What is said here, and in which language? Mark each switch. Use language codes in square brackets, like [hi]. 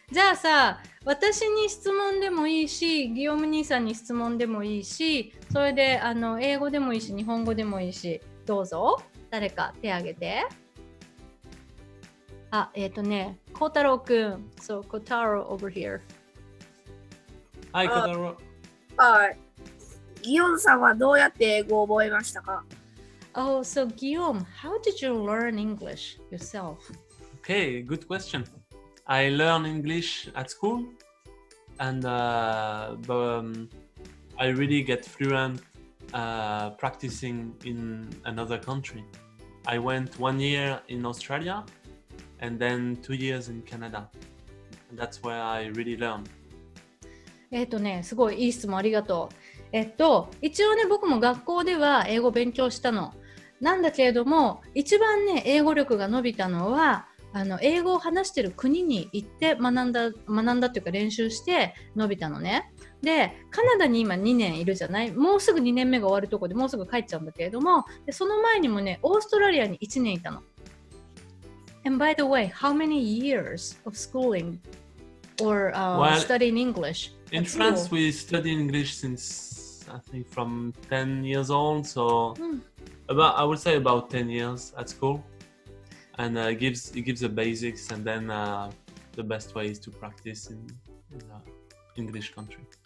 [ja] じゃあさ、私に質問でもいいし、ギヨーム兄さんに質問でもいいし、それであの英語でもいいし、日本語でもいいし、どうぞ、誰か手挙げて。 [en] あ、コタロウくん。So, コタロウ over here. [ja] はい、コタロウ。はい。ギヨームさんはどうやって英語を覚えましたか？ [en] Oh, so, Guillaume, how did you learn English yourself? Okay, good question. I learned English at school, and I really get fluent practicing in another country. I went 1 year in Australia, and then 2 years in Canada. That's where I really learned. [ja] すごいいい質問ありがとう。一応ね、僕も学校では英語勉強したの。なんだけれども、一番ね、英語力が伸びたのは、あの英語を話してる国に行って学んだっていうか練習して伸びたのね。でカナダに今2年いるじゃない、もうすぐ2年目が終わるとこでもうすぐ帰っちゃうんだけれども、でその前にもね、オーストラリアに1年いたの。 [en] And by the way, how many years of schooling or studying English? In France, we study English since I think from 10 years old, so about, I would say about 10 years at schoolAnd it gives the basics, and then the best way is to practice in the English country.